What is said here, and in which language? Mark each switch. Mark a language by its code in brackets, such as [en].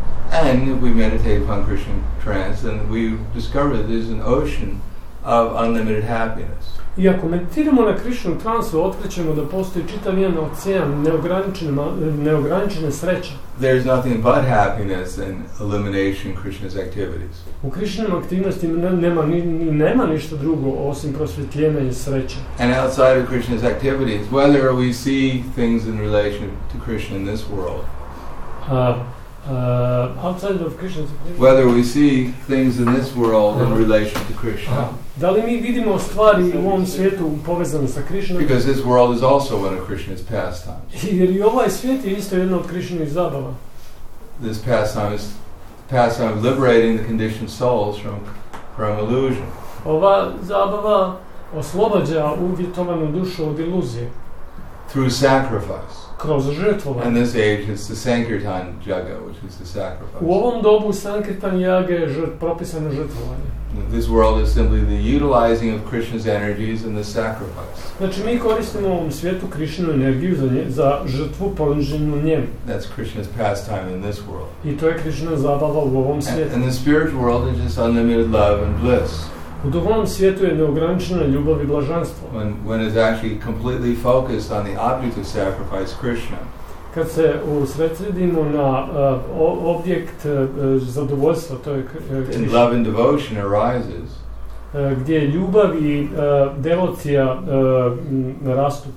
[en] And if we meditate upon Krishna in trance, then we discover that there's an ocean of unlimited happiness. [bs] I ako meditiramo na Krishnu transu, otkrićemo da postoji čitav jedan ocean neograničene sreće. [en] There is nothing but happiness and illumination in Krishna's activities. [bs] U Krishnim aktivnostima nema ništa drugo osim prosvjetljenja i sreće. [en] And outside of Krishna's activities, whether we see things in relation to Krishna in this world. Outside of Krishna's activities. Whether we see things in this world in relation to Krishna. [bs] Da li mi vidimo stvari u ovom svijetu povezane sa Krishnom? [en] Because this world is also one of Krishna's pastimes. [bs] Jer i ovaj svijet je isto jedno od Krishna's zabava. [en] This pastime is pastime of liberating the conditioned souls from illusion. [bs] Ova zabava oslobađa uvjetovanu dušu od iluzije. [en] Through sacrifice. And this age is the Sankirtan Yaga, which is the sacrifice. [bs] U ovom dobu Sankirtan Yaga je propisano žrtvovanje. [en] This world is simply the utilizing of Krishna's energies and the sacrifice. [bs] Znači mi koristimo u ovom svijetu Krishnu energiju za žrtvu poniženu njemu. [en] That's Krishna's pastime in this world. [bs] I to je Krishna zabava u ovom svijetu. [en] And the spiritual world is just unlimited love and bliss. [bs] U duhovnom svijetu je neograničena ljubav i blaženstvo. [en] When it's actually completely focused on the object of sacrifice, Krishna. [bs] Kad se usredsredimo na objekt zadovoljstva, to je Krishna. [en] And love and devotion arises. [bs] Gdje ljubav i devocija rastu.